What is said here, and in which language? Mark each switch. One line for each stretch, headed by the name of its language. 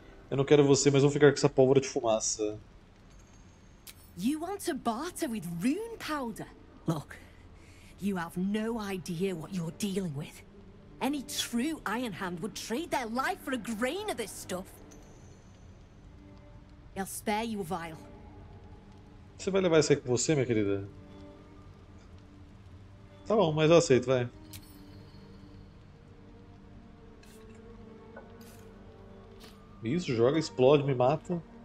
Portuguese: Eu não quero você, mas vou ficar com essa pólvora de fumaça.
English: You want to barter with rune powder? Look, you have no idea what you're dealing with. Any true Iron Hand would trade their life for a grain of this stuff. I'll spare you a vial.
Portuguese: Você vai levar isso aí com você, minha querida? Tá bom, mas eu aceito, vai. Isso, joga, explode, me mata.